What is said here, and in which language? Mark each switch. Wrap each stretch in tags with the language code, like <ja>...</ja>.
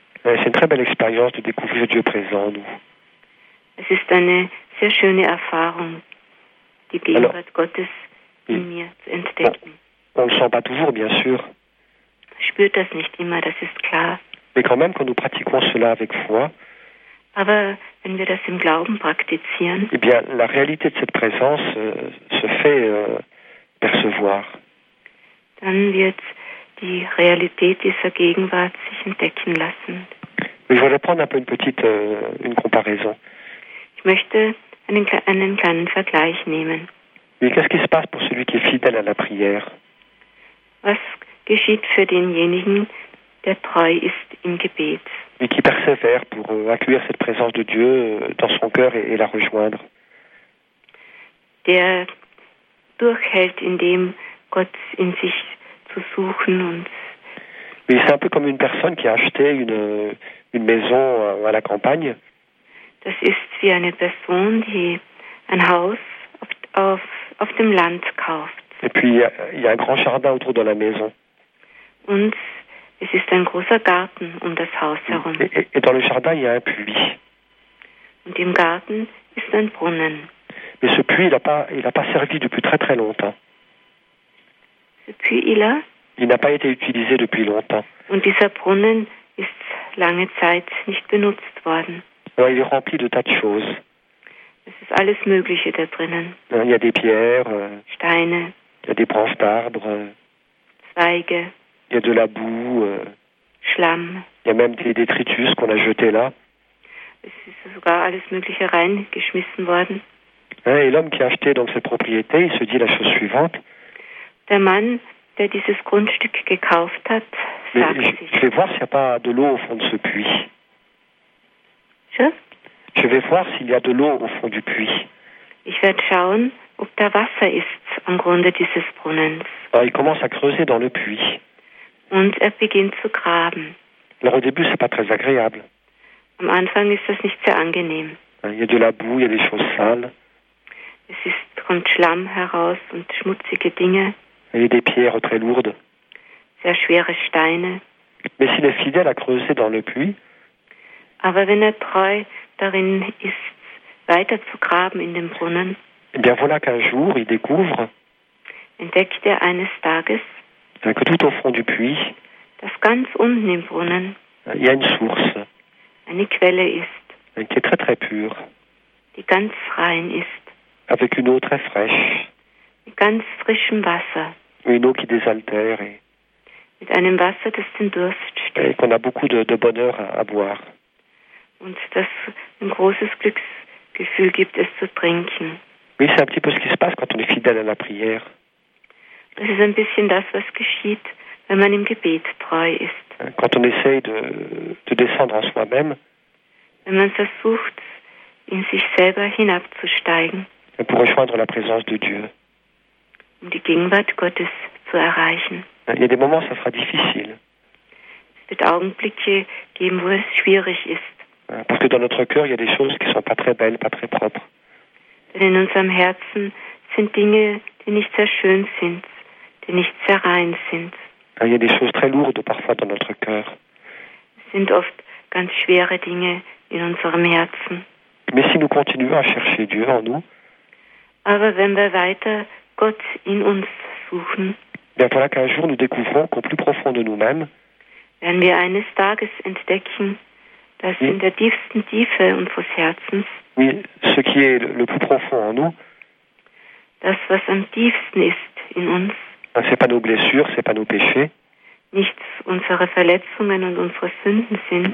<fr>C'est une très belle expérience de découvrir Dieu présent en nous.</fr> <de>Es ist eine sehr schöne Erfahrung, die Gegenwart Gottes in mir zu entdecken.</de> <fr>On ne le sent pas toujours, bien sûr.</fr> <de>Je spürt das nicht immer, das ist klar.</de> <fr>Mais quand même, quand nous pratiquons cela avec foi,</fr> <de>aber wenn wir das im Glauben praktizieren,</de> <fr>eh bien, la réalité de cette présence se fait percevoir.</fr> <de>Dann wird die Realität dieser Gegenwart sich entdecken lassen.</de> <fr>Mais je voudrais prendre un peu une petite comparaison.</fr> <de>Ich möchte einen kleinen Vergleich nehmen.</de> <fr>Mais qu'est-ce qui se passe pour celui qui est fidèle à la prière?</fr> <de>Was geschieht für denjenigen, der treu ist im Gebet?</de> <fr>Mais qui persévère pour accueillir cette présence de Dieu dans son cœur et la rejoindre?</fr> <de>Der durchhält, indem Gott in sich zu suchen und.</de> <fr>Mais c'est un peu comme une personne qui a acheté une maison à la campagne.</fr> <de>Das ist wie eine Person, die ein Haus auf dem Land kauft.</de> <fr>Et puis il y a un grand jardin autour de la maison.</fr> <de>Und es ist ein großer Garten um das Haus herum.</de> <fr>Et dans le jardin, il y a un puits.</fr> <de>Und im Garten ist ein Brunnen.</de> <fr>Mais ce puits, il a pas servi depuis très très longtemps. Ce puits, il n'a pas été utilisé depuis longtemps.</fr> <de>Und dieser Brunnen ist lange Zeit nicht benutzt worden.</de> <fr>Alors, il est rempli de tas de choses.</fr> <de>Es ist alles Mögliche da drinnen.</de> <fr>Il y a des pierres.</fr> <de>Steine.</de> <fr>Il y a des branches d'arbres.</fr> <de>Zweige.</de> <fr>Il y a de la boue.</fr> <de>Schlamm.</de> <fr>Il y a même des détritus qu'on a jetés là.</fr> <de>Es ist sogar alles Mögliche reingeschmissen worden.</de> <fr>Et l'homme qui a acheté donc cette propriété, il se dit la chose suivante.</fr> <de>Der Mann, der dieses Grundstück gekauft hat, sagt sich.</de> <fr>Je vais voir s'il n'y a pas de l'eau au fond de ce puits. Je vais voir s'il y a de l'eau au fond du puits.</fr> <de>Ich werde schauen, ob da Wasser ist am Grunde dieses Brunnens.</de> <fr>Alors, il commence à creuser dans le puits.</fr> <de>Und er beginnt zu graben.</de> <fr>Alors, au début, c'est pas très agréable.</fr> <de>Am Anfang ist das nicht sehr angenehm.</de> <fr>Il y a de la boue, il y a des choses sales.</fr> <de>Es kommt Schlamm heraus und schmutzige Dinge.</de> <fr>Il y a des pierres très lourdes.</fr> <de>Sehr schwere Steine.</de> <fr>Mais s'il est fidèle à creuser dans le puits.</fr> <de>Aber wenn er treu darin ist, weiter zu graben in dem Brunnen,</de> <fr>eh bien voilà qu'un jour il découvre,</fr> <de>entdeckt er eines Tages,</de> <fr>que tout au fond du puits,</fr> <de>dass ganz unten im Brunnen,</de> <fr>il y a une source,</fr> <de>eine Quelle ist,</de> <fr>qui est très très pure,</fr> <de>die ganz rein ist,</de> <fr>avec une eau très fraîche,</fr> <de>mit ganz frischem Wasser,</de> <fr>une eau qui désaltère, et,</fr> <de>mit einem Wasser, das den Durst stillt,</de> <fr>et qu'on a beaucoup de bonheur à boire.</fr> <de>Und das ein großes Glücksgefühl gibt, es zu trinken.</de> <fr>Oui, c'est un petit peu ce qui se passe quand on est fidèle à la prière.</fr> <de>Das ist ein bisschen das, was geschieht, wenn man im Gebet treu ist.</de> <fr>Quand on essaye de descendre en soi-même.</fr> <de>Wenn man versucht, in sich selber hinabzusteigen.</de> <fr>Pour rejoindre la présence de Dieu.</fr> <de>Um die Gegenwart Gottes zu erreichen.</de> <fr>Il y a des moments, ça sera difficile.</fr> <de>Es wird Augenblicke geben, wo es schwierig ist.</de> <fr>Parce que dans notre cœur, il y a des choses qui sont pas très belles, pas très propres.</fr> <de>Denn in unserem Herzen sind Dinge, die nicht sehr schön sind, die nicht sehr rein sind.</de> <fr>Il y a des choses très lourdes parfois dans notre cœur.</fr> <de>Es sind oft ganz schwere Dinge in unserem Herzen.</de> <fr>Mais si nous continuons à chercher Dieu en nous,</fr> <de>aber wenn wir weiter Gott in uns suchen,</de> <fr>bien, voilà qu'un jour nous découvrons qu'au plus profond de nous-mêmes,</fr> <de>werden wir eines Tages entdecken, dass in der tiefsten Tiefe unseres Herzens,</de> <fr>oui, ce qui est le plus profond en nous,</fr> <de>das, was am tiefsten ist in uns,</de> <fr>c'est pas nos blessures, c'est pas nos péchés,</fr> <de>nicht unsere Verletzungen und unsere Sünden sind,</de>